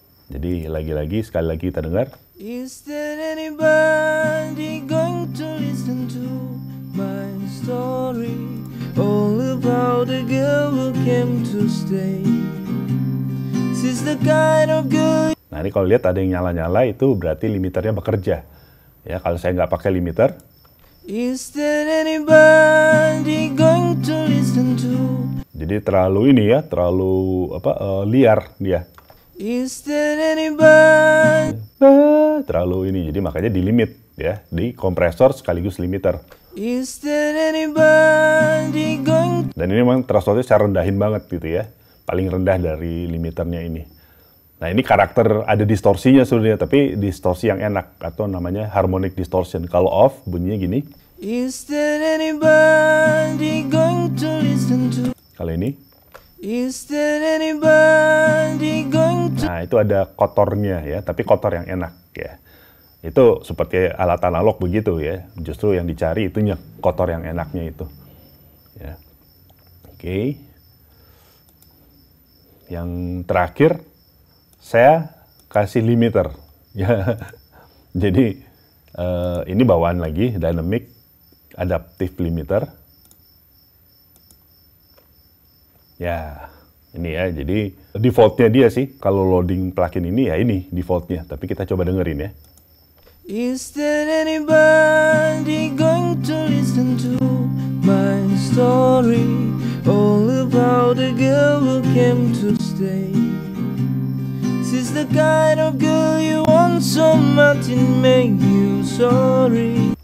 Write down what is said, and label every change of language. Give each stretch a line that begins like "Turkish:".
Indonesian: Jadi lagi-lagi, sekali lagi kita dengar.
English: Is there anybody going to listen to my story all about the girl who came to stay? She's the kind of girl...
Indonesian: Nah, ini kalau lihat ada yang nyala-nyala, itu berarti limiternya bekerja. Ya, kalau saya nggak pakai limiter.
English: Is there anybody going to listen to...
Indonesian: Jadi terlalu ini ya, terlalu apa liar dia.
English: Is there anybody...
Indonesian: Terlalu ini, jadi makanya di limit ya, di kompresor sekaligus limiter.
English: Is there anybody going...
Indonesian: Dan ini memang thresholdnya saya rendahin banget gitu ya, paling rendah dari limiternya ini. Nah, ini karakter ada distorsinya sebenarnya, tapi distorsi yang enak atau namanya harmonic distortion. Kalau off bunyinya gini.
English: Is there anybody going to listen to...
Indonesian: Kalau ini.
English: Is there anybody going to...
Indonesian: Nah, itu ada kotornya ya, tapi kotor yang enak ya. Itu seperti alat analog begitu ya, justru yang dicari itunya, kotor yang enaknya itu ya. Oke, yang terakhir saya kasih limiter ya. Jadi ini bawaan lagi, dynamic adaptive limiter ya. Ini ya, jadi defaultnya dia sih, kalau loading plugin ini ya ini defaultnya, tapi kita coba dengerin ya.
English: Is there anybody going to listen to my story, all about a girl who came to stay? She's the kind of girl you want so much and make you sorry.